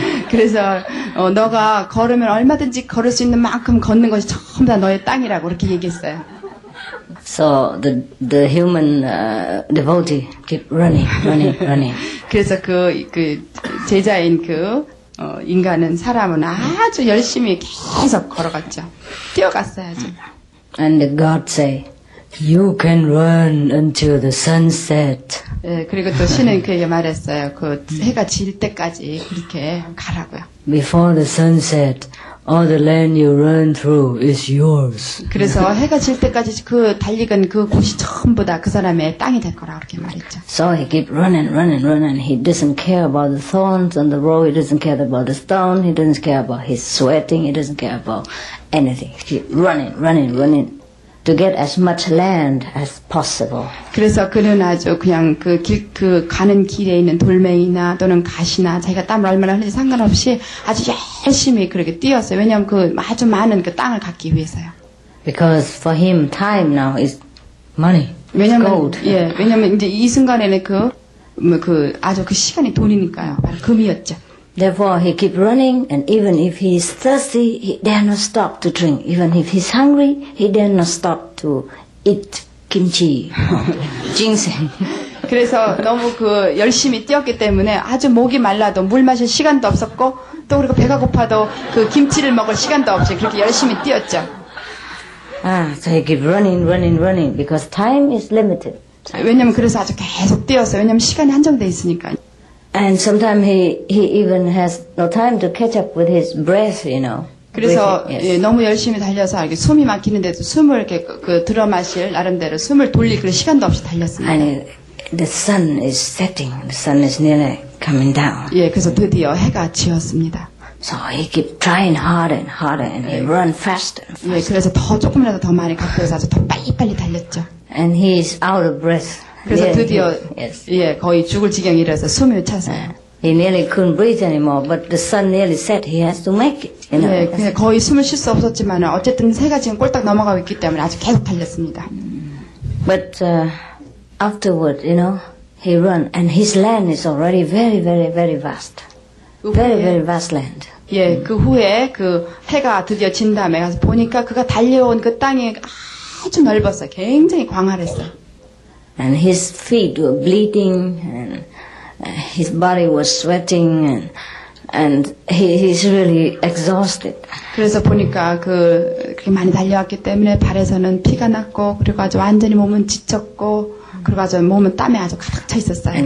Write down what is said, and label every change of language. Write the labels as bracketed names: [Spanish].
[Korean] 그래서 너가 걸으면 얼마든지 걸을 수 있는 만큼 걷는 것이 전부 다 너의 땅이라고 그렇게 얘기했어요. [English] So the human devotee keep running. [Korean] 그래서 그 제자인 그 인간은 사람은 아주 열심히 계속 걸어갔죠. 뛰어갔어요. 아주. [English] And God say, you can run until the sunset. [Korean] 예, 그리고 또 신은 그에게 말했어요. 그 해가 질 때까지 그렇게 가라고요. [English] Before the sunset, all the land you run through is yours. [Korean] 그래서 해가 질 때까지 그 달리건 그 곳이 전부 다 그 사람의 땅이 될 거라고 이렇게 말했죠. [English] So he keep running. He doesn't care about the thorns on the road. He doesn't care about the stone. He doesn't care about his sweating. He doesn't care about anything. He keep running. To get as much land as possible. [Korean] 그래서 그는 아주 그냥 그 가는 길에 있는 돌멩이나 또는 가시나 자기가 땀을 얼마나 흘리지 상관없이 아주 열심히 그렇게 뛰었어요. 왜냐하면 그 아주 많은 그 땅을 갖기 위해서요. [English] Because for him, time now is money. It's [Korean] 왜냐면, [English] gold. [Korean] 예, 왜냐면 이제 이 순간에는 그 아주 그 시간이 돈이니까요. 바로 금이었죠. [English] Therefore, he keep running, and even if he's thirsty, he dare not stop to drink. Even if he's hungry, he dare not stop to eat kimchi, ginseng. [Korean] 그래서 너무 그 열심히 뛰었기 때문에 아주 목이 말라도 물 마실 시간도 없었고 또 그리고 배가 고파도 그 김치를 먹을 시간도 없지 그렇게 열심히 뛰었죠. [English] Ah, so he keep running, because time is limited. [Korean] 왜냐면 그래서 아주 계속 뛰었어요. 왜냐면 시간이 한정돼 있으니까. [English] And sometimes he even has no time to catch up with his breath, you know. [Korean] 그래서 yes. 예, 너무 열심히 달려서 이렇게 숨이 막히는데도 숨을 이렇게 그 들어 마실 나름대로 숨을 돌릴 그런 시간도 없이 달렸습니다. [English] And the sun is setting. The sun is nearly coming down. [Korean] 예, 그래서 드디어 해가 지었습니다. [English] So he keep trying harder, and he 예. Run faster. [Korean] 예, 그래서 더 조금이라도 더 많이 갖고 와서 아주 더 빨리 달렸죠. [English] And he is out of breath. [Korean] 그래서 드디어 yes. 예 거의 죽을 지경이라서 숨을 찼어요. [English] He nearly couldn't breathe anymore, but the sun nearly set. He has to make it. You know? [Korean] 예, 그냥 거의 숨을 쉴 수 없었지만 어쨌든 해가 지금 꼴딱 넘어가고 있기 때문에 아주 계속 달렸습니다. [English] But afterward, you know, he run and his land is already very, very, very vast. Very, very vast land. [Korean] 예, 그 후에 그 해가 드디어 진 다음에 가서 보니까 그가 달려온 그 땅이 아주 넓었어, 굉장히 광활했어. [English] And his feet were bleeding, and his body was sweating, and he's really exhausted. [Korean] 그래서 보니까 그렇게 많이 달려왔기 때문에 발에서는 피가 났고, 그리고 아주 완전히 몸은 지쳤고, 그리고 아주 몸은 땀에 아주 가득 차 있었어요.